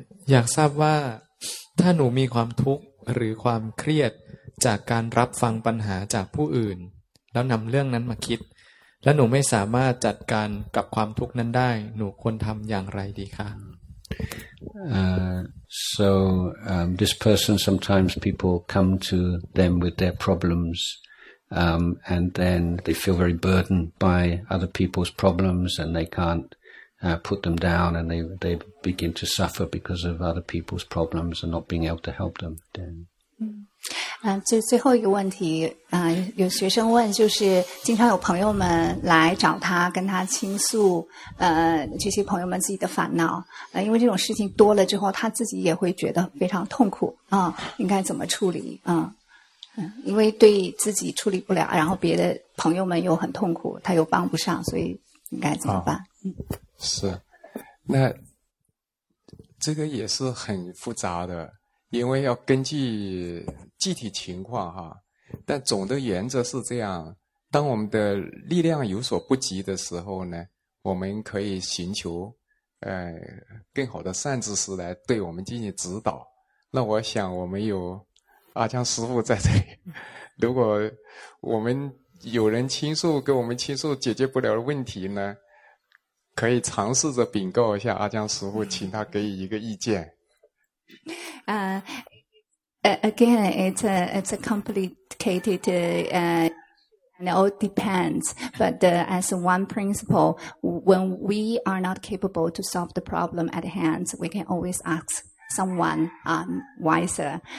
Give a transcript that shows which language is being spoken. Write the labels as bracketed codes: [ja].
[th] อยากทราบว่าถ้าหนูมีความทุกข์หรือความเครียดจากการรับฟังปัญหาจากผู้อื่นแล้วนำเรื่องนั้นมาคิด และหนูไม่สามารถจัดการกับความทุกข์นั้นได้หนูควรทำอย่างไรดีคะ [en] So this person, sometimes people come to them with their problems, and then they feel very burdened by other people's problems, and they can't put them down, and they begin to suffer because of other people's problems and not being able to help them. Then. [zh] 最后一个问题，有学生问，就是经常有朋友们来找他，跟他倾诉，这些朋友们自己的烦恼，因为这种事情多了之后，他自己也会觉得非常痛苦啊，应该怎么处理啊？因为对自己处理不了，然后别的朋友们又很痛苦，他又帮不上，所以应该怎么办？是，那这个也是很复杂的。因为要根据具体情况哈，但总的原则是这样，当我们的力量有所不及的时候呢，我们可以寻求更好的善知识来对我们进行指导。那我想我们有阿江师父在这里，如果我们有人倾诉，给我们倾诉解决不了的问题呢，可以尝试着禀告一下阿江师父，请他给予一个意见。 [en] Again, it's a complicated, and it all depends. But as one principle, when we are not capable to solve the problem at hand, we can always ask someone wiser.